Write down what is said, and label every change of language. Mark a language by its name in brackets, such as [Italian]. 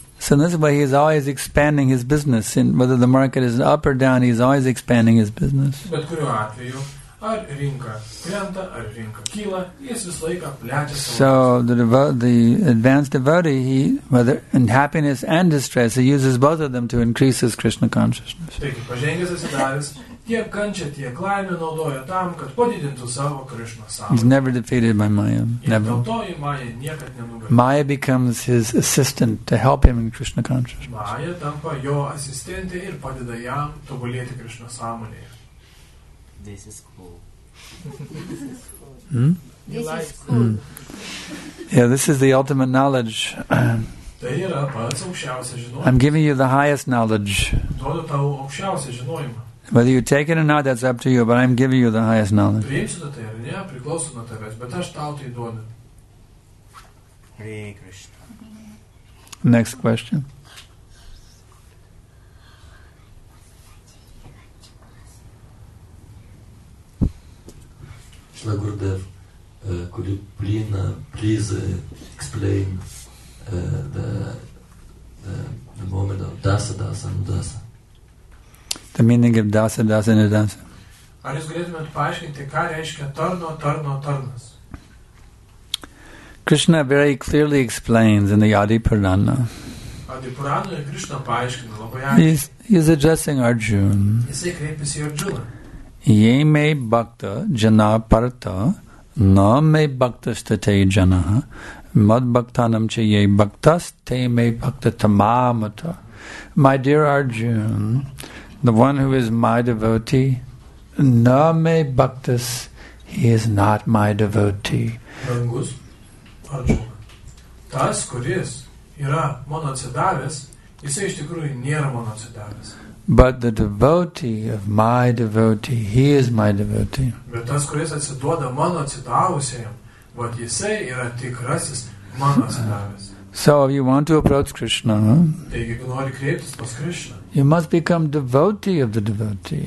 [English] So in this way, he is always expanding his business. And whether the market is up or down, he is always expanding his business. [Lithuanian] Bet kuriuo atveju, ar rinka krenta, ar rinka kyla, jis visą laiką plečia savo. [English] So the advanced devotee, he, whether in happiness and distress, he uses both of them to increase his Krishna consciousness. [Lithuanian] Taigi, pažengęs atsidavęs, tiek kančia, tiek laimė naudoja tam, kad padidintų savo Krishna sąmonę. [English] He's never defeated by Maya. Never. [Lithuanian] Dėl to į Maya niekad nenugalė. [English] Maya becomes his assistant to help him in Krishna consciousness. [Lithuanian] Maya tampa jo asistentė ir padeda jam tobulėti Krishna sąmonėje. [English] This is cool. This is cool. Yeah, this is the ultimate knowledge. [Lithuanian] Tai yra pats aukščiausias žinojimas. [English] I'm giving you the highest knowledge. [Lithuanian] Duodu tau aukščiausią žinojimą. [English] Whether you take it or not, that's up to you, but I'm giving you the highest knowledge. [Lithuanian] Priimsiu tai ar ne, priklauso nuo tavęs, bet aš tau tai duodu. [English] Hare Krishna. Next question. Shri Gurudev, could you please explain the moment of Dasa Dasa and Dasa? The meaning of dasa, dasa, and dasa. [Lithuanian] Ar jūs galėtumėt paaiškinti, ką reiškia tarno, tarno, tarnas? [English] Krishna very clearly explains in the Adi Purana. [Lithuanian] Adi Purana ir Krishna paaiškina labai aiškiai. [English] He's addressing Arjuna. [Lithuanian] Jisai kreipiasi Arjuna. [Sanskrit] Yeme bhakta jana parta, na me bhakta state jana, mad bhaktanam che ye bhaktas te me bhakta tamamata. [English] My dear Arjuna, the one who is my devotee, [Sanskrit] na me bhaktas, [English] he is not my devotee. [Lithuanian] Brangus Arjuna, tas, kuris yra mano atsidavęs, jisai iš tikrųjų nėra mano atsidavęs. [English] But the devotee of my devotee, he is my devotee. [Lithuanian] Bet tas, kuris atsiduoda mano atsidavusiam, vat jisai yra tikrasis mano atsidavęs. [English] So if you want to approach Krishna, you must become devotee of the devotee.